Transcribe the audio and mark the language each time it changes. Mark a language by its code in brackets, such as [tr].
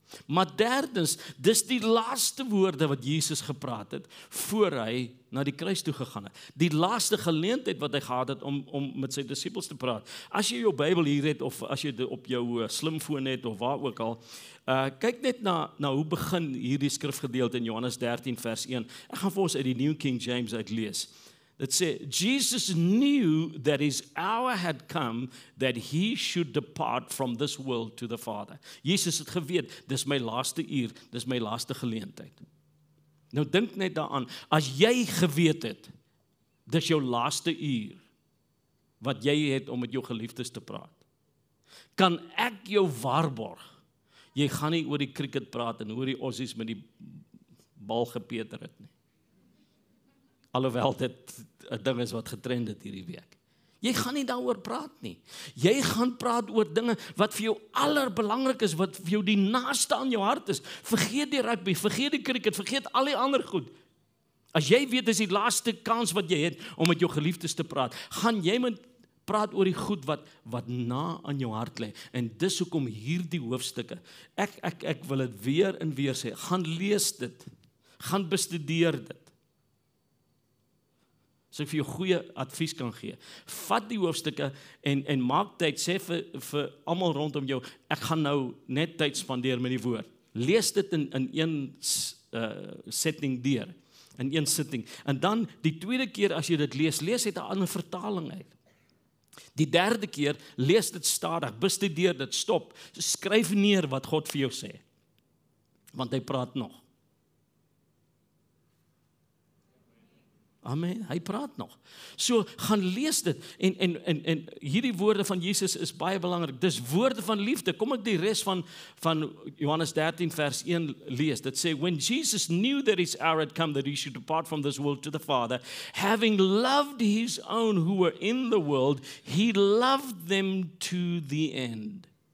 [af] Maar derdens, dis die laaste woorde wat Jesus gepraat het, voor hy na die kruis toe gegaan het. Die laaste geleentheid wat hy gehad het om met sy disciples te praat. As jy jou Bybel hier het, of as jy dit op jou slimfoon het, of waar ook al, kyk net na hoe begin hierdie skrifgedeelte in Johannes 13 vers 1. Ek gaan vir ons uit die New King James uitlees. Dit sê, [en] Jesus knew that his hour had come that he should depart from this world to the Father. [af] Jesus het geweet, dis my laaste uur, dis my laaste geleentheid. Nou dink net daaraan, as jy geweet het, dis jou laaste uur, wat jy het om met jou geliefdes te praat, kan ek jou waarborg, jy gaan nie oor die cricket praat en oor die Aussies met die bal gepeter het nie. Alhoewel dit een ding is wat getrend het hierdie week. Jy gaan nie daarover praat nie. Jy gaan praat oor dinge wat vir jou allerbelangrik is, wat vir jou die naaste aan jou hart is. Vergeet die rugby, vergeet die cricket, vergeet al die ander goed. As jy weet, is die laaste kans wat jy het om met jou geliefdes te praat, gaan jy met praat oor die goed wat na aan jou hart lê. En dis hoekom hier die hoofstukke. Ek wil het weer en weer sê, gaan lees dit, gaan bestudeer dit. So ek vir jou goeie advies kan gee. Vat die hoofstukke en maak tyd, sê vir allemaal rondom jou, ek gaan nou net tyd spandeer met die woord. Lees dit in een setting deur, in een sitting. En dan die tweede keer as jy dit lees, lees dit aan een vertaling uit. Die derde keer, lees dit stadig, bestudeer dit, stop. Skryf neer wat God vir jou sê, want hy praat nog. Amen, hy praat nog. So, gaan lees dit, en hierdie woorde van Jesus is baie belangrik, dis woorde van liefde, kom ek die rest van Johannes 13 vers 1 lees, dit sê, [en] when Jesus knew that his hour had come, that he should depart from this world to the Father, having loved his own who were in the world, he loved them to the end.